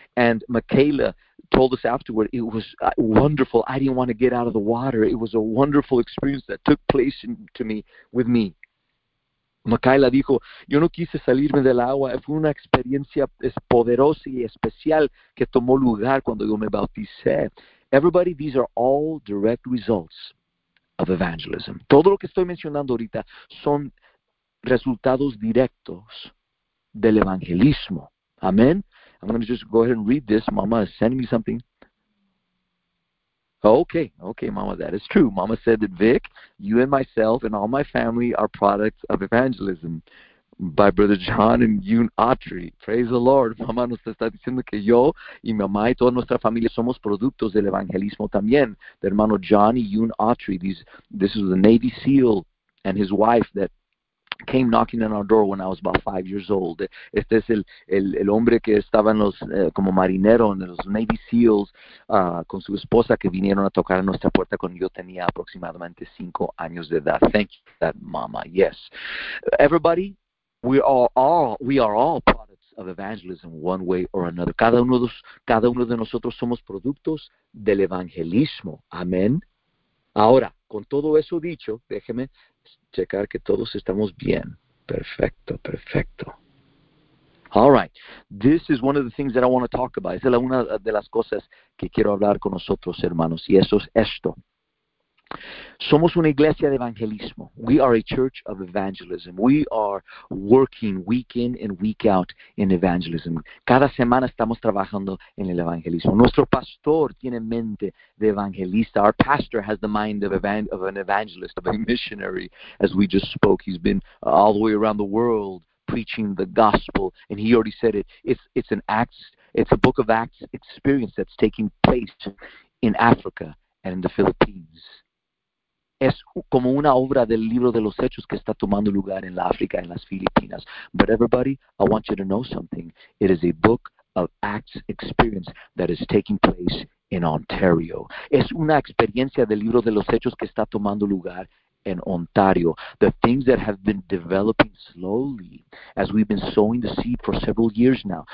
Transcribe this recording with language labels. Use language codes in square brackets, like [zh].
[en] And Michaela told us afterward, it was wonderful. I didn't want to get out of the water. It was a wonderful experience that took place with me. [es] Michaela dijo, yo no quise salirme del agua. Fue una experiencia poderosa y especial que tomó lugar cuando yo me bauticé. [en] Everybody, these are all direct results of evangelism. [es] Todo lo que estoy mencionando ahorita son resultados directos del evangelismo. Amén. [en] I'm going to just go ahead and read this. Mama is sending me something. Okay, Mama, that is true. Mama said that, Vic, you and myself and all my family are products of evangelism by Brother John and Yoon Autry. Praise the Lord. [es] Mama nos está diciendo que yo y mi mamá y toda nuestra familia somos productos del evangelismo también. De hermano John y Yoon Autry. [en] This is the Navy SEAL and his wife that came knocking on our door when I was about 5 years old. [es] Este es el hombre que estaba en los como marinero en los Navy SEALs con su esposa que vinieron a tocar a nuestra puerta cuando yo tenía aproximadamente 5 años de edad. [en] Thank you for that, Mama. Yes, everybody, we are all products of evangelism one way or another. [es] Cada uno de nosotros somos productos del evangelismo. Amén. Ahora, con todo eso dicho, déjeme checar que todos estamos bien. Perfecto, perfecto. [en] All right. This is one of the things that I want to talk about. [es] Esa es una de las cosas que quiero hablar con nosotros, hermanos. Y eso es esto. Somos una iglesia de evangelismo. [en] We are a church of evangelism. We are working week in and week out in evangelism. [es] Cada semana estamos trabajando en el evangelismo. Nuestro pastor tiene mente de evangelista. [en] Our pastor has the mind of an evangelist, of a missionary, as we just spoke. He's been all the way around the world preaching the gospel, and he already said it. It's an Acts, it's a Book of Acts experience that's taking place in Africa and in the Philippines. [es] Es como una obra del libro de los hechos que está tomando lugar en la África, en las Filipinas. [en] But everybody, I want you to know something. It is a book of Acts experience that is taking place in Ontario. [es] Es una experiencia del libro de los hechos que está tomando lugar en Ontario. [en] The things that have been developing slowly as we've been sowing the seed for several years now.